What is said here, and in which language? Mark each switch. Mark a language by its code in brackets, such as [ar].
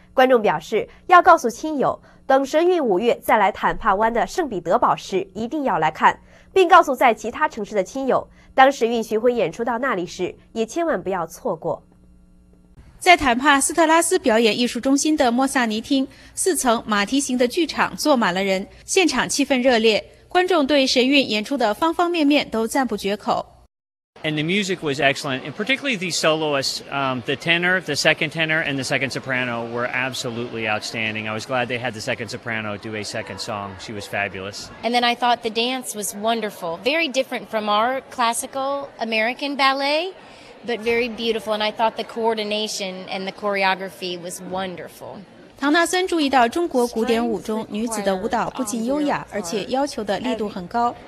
[zh] 观众表示，要告诉亲友，等神韵5月再来坦帕湾的圣彼得堡时，一定要来看，并告诉在其他城市的亲友，当神韵巡回演出到那里时，也千万不要错过。在坦帕斯特拉斯表演艺术中心的莫萨尼厅，4层马蹄形的剧场坐满了人，现场气氛热烈，观众对神韵演出的方方面面都赞不绝口。 [en] And the music was excellent, and particularly the soloists, the tenor, the second tenor, and the second soprano were absolutely outstanding. I was glad they had the second soprano do a second song. She was fabulous. And then I thought the dance was wonderful. Very different from our classical American ballet, but very beautiful. And I thought the coordination and the choreography was wonderful. [zh] 唐纳森注意到中国古典舞中女子的舞蹈不仅优雅，而且要求的力度很高。